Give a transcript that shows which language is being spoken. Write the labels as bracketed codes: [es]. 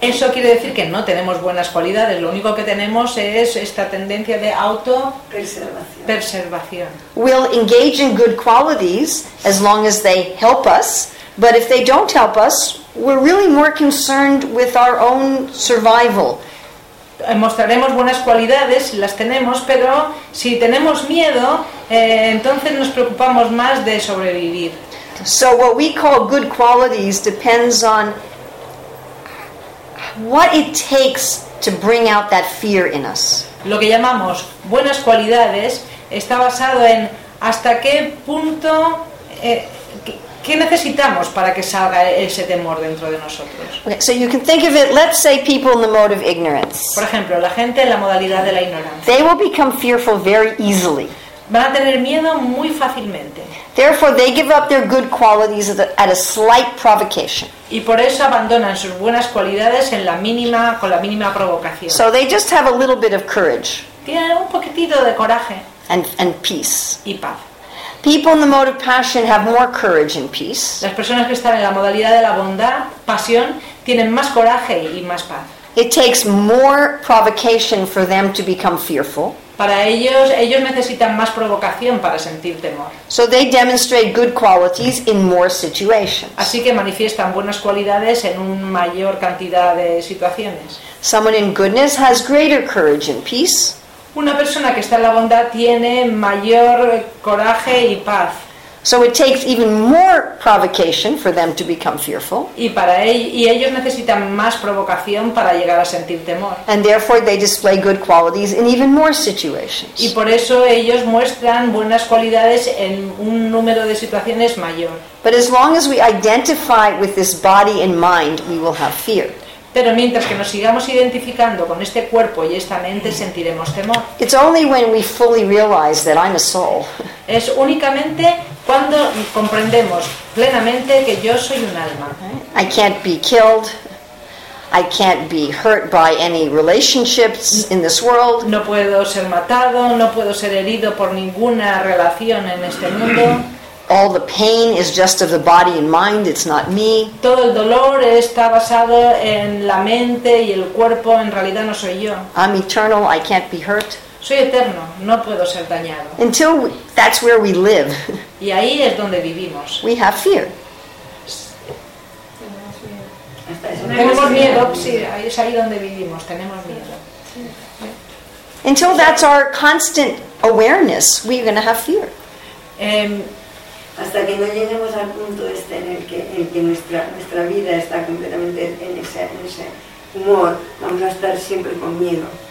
[es] Eso quiere decir que no tenemos buenas cualidades. Lo único que tenemos es esta tendencia de autopreservación. [en] We'll engage in good qualities as long as they help us. But if they don't help us, we're really more concerned with our own survival. [es] Mostraremos buenas cualidades si las tenemos, pero si tenemos miedo, entonces nos preocupamos más de sobrevivir. [en] So what we call good qualities depends on what it takes to bring out that fear in us. [es] Lo que llamamos buenas cualidades está basado en hasta qué punto ¿qué necesitamos para que salga ese temor dentro de nosotros? [en] Okay, so you can think of it, let's say people in the mode of ignorance. [es] Por ejemplo, la gente en la modalidad de la ignorancia. [en] They will become fearful very easily. [es] Van a tener miedo muy fácilmente. [en] Therefore, they give up their good qualities at a slight provocation. [es] Y por eso abandonan sus buenas cualidades en la mínima, con la mínima provocación. [en] So they just have a little bit of courage. [es] Tienen un poquitito de coraje. [en] And peace. [es] Y paz. [en] People in the mode of passion have more courage and peace. [es] Las personas que están en la modalidad de la bondad, pasión, tienen más coraje y más paz. [en] It takes more provocation for them to become fearful. [es] Para ellos necesitan más provocación para sentir temor. [en] So they demonstrate good qualities in more situations. [es] Así que manifiestan buenas cualidades en una mayor cantidad de situaciones. [en] Someone in goodness has greater courage and peace. [es] Una persona que está en la bondad tiene mayor coraje y paz. [en] So it takes even more provocation for them to become fearful. [es] Y ellos necesitan más provocación para llegar a sentir temor. [en] And therefore they display good qualities in even more situations. [es] Y por eso ellos muestran buenas cualidades en un número de situaciones mayor. [en] But as long as we identify with this body and mind, we will have fear. [es] Pero mientras que nos sigamos identificando con este cuerpo y esta mente, sentiremos temor. [en] It's only when we fully realize that I'm a soul. [es] Es únicamente cuando comprendemos plenamente que yo soy un alma. [en] I can't be killed. I can't be hurt by any relationships in this world. [es] No puedo ser matado, no puedo ser herido por ninguna relación en este mundo. [en] all the pain is just of the body and mind, it's not me. [es] Todo el dolor está basado en la mente y el cuerpo, en realidad no soy yo. [en] I'm eternal, I can't be hurt. [es] Soy eterno, no puedo ser dañado. [en] Until that's where we live. [es] Y ahí es donde vivimos. [en] We have fear. [es] Tenemos miedo, sí, es ahí donde vivimos, tenemos miedo. [en] Until that's our constant awareness, we're going to have fear. [es] Hasta que no lleguemos al punto este en el que nuestra vida está completamente en ese humor, vamos a estar siempre con miedo.